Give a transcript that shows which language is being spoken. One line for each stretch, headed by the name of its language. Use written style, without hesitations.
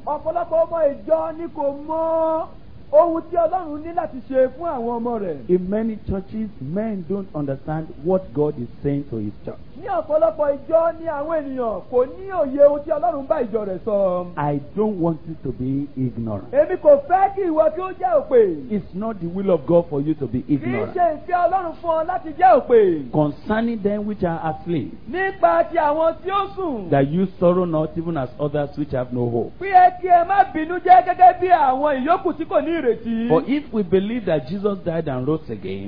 Yoruba: Ọ̀pọ̀lọpọ̀ ọmọ ìjọ ni kò mọ ohun tí Ọlọ́run ní láti ṣe fún àwọn ọmọ rẹ̀.
English: In many churches, men don't understand what God is saying to his church.
Yoruba: Ní ọ̀pọ̀lọpọ̀ ìjọ ni àwọn ènìyàn kò ní òye ohun tí Ọlọ́run bá ìjọ rẹ̀ sọ.
English: I don't want you to be ignorant.
Yoruba: Èmi kò fẹ́ kí ìwọ kí ó jẹ́ òpè.
English: It's not the will of God for you to be ignorant.
Yoruba: Kì í ṣe ìfẹ́ Ọlọ́run fún ọ láti jẹ́ òpè.
English: Concerning them which are asleep.
Yoruba: Nípa ti àwọn tí ó sùn.
English: That you sorrow not even as others which have no hope.
Yoruba: Pé ẹ kí ẹ má bínú jẹ́ gẹ́gẹ́ bí àwọn ìyókù tí kò ní ìrètí.
English: But if we believe that Jesus died and rose again.